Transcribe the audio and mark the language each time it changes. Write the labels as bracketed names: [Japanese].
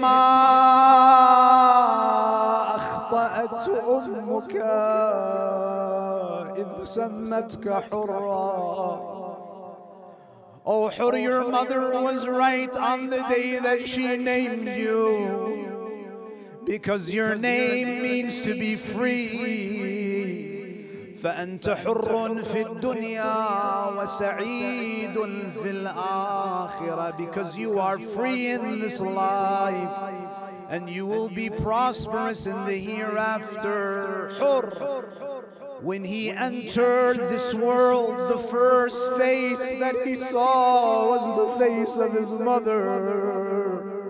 [Arabic] Ma akhta'at ummuka idh sammatka hurra. [English] Oh, your mother was right on the day that she named you, because your name means to be free. [Arabic] فأنت حر في الدنيا وسعيد في الآخرة. [English] Because you are free in this life and you will be prosperous in the hereafter. [Arabic] حر. [English] When he entered this world, the first face that he saw was the face of his mother.